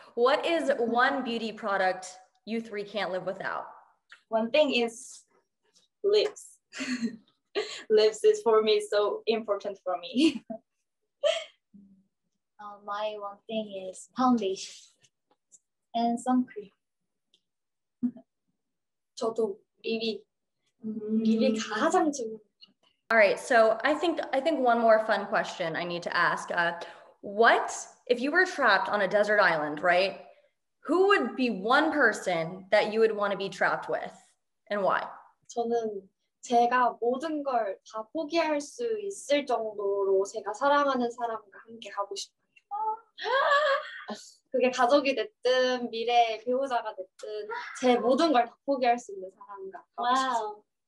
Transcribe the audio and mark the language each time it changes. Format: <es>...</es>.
<en>What is one beauty product you three can't live without? One thing is lips. Lips is for me so important for me. My one thing is foundation and sun cream.</en> <ko>저도 입이 가장 중요해요.</ko> <en>All right, so I think one more fun question I need to ask. What if you were trapped on a desert island, right? Who would be one person that you would want to be trapped with, and why?</en> <ko>저는 제가 모든 걸 다 포기할 수 있을 정도로 제가 사랑하는 사람과 함께 가고 싶어요. 그게 가족이 됐든 미래의 배우자가 됐든 제 모든 걸 다 포기할 수 있는 사람과</ko>